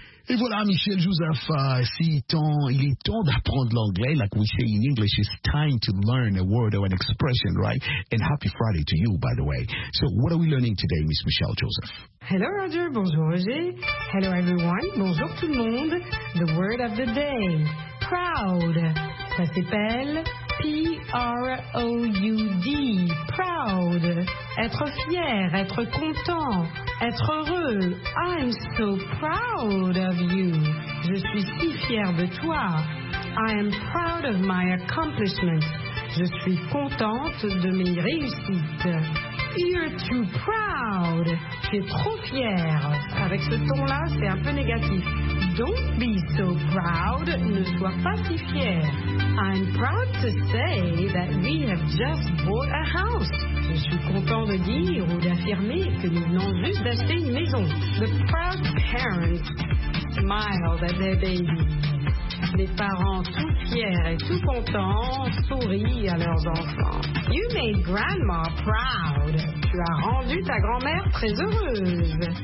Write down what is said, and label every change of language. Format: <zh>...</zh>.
<fr>Et voilà, Michel Joseph, il est temps d'apprendre l'anglais.</fr> <en>Like we say in English, it's time to learn a word or an expression, right? And happy Friday to you, by the way. So what are we learning today, Miss Michelle Joseph? Hello, Roger.</en> <fr>Bonjour, Roger.</fr> <en>Hello, everyone.</en> <fr>Bonjour, tout le monde.</fr> <en>The word of the day, proud.</en> <fr>Ça s'appelle P-R-O-U-D, proud. Être fier, être content. Être heureux.</fr> <en>I'm so proud of you.</en> <fr>Je suis si fière de toi.</fr> <en>I am proud of my accomplishments.</en> <fr>Je suis contente de mes réussites.</fr> <en>You're too proud.</en> <fr>Tu es trop fière. Avec ce ton-là, c'est un peu négatif.</fr> <en>Don't be so proud.</en> <fr>Ne sois pas si fière.</fr> <en>I'm proud to say that we have just bought a house.</en> <fr>Je suis content de dire ou d'affirmer que nous venons juste d'acheter une maison.</fr> <en>The proud parents smiled at their baby.</en> <fr>Les parents tout fiers et tout contents sourient à leurs enfants.</fr> <en>You made grandma proud.</en> <fr>Tu as rendu ta grand-mère très heureuse.</fr>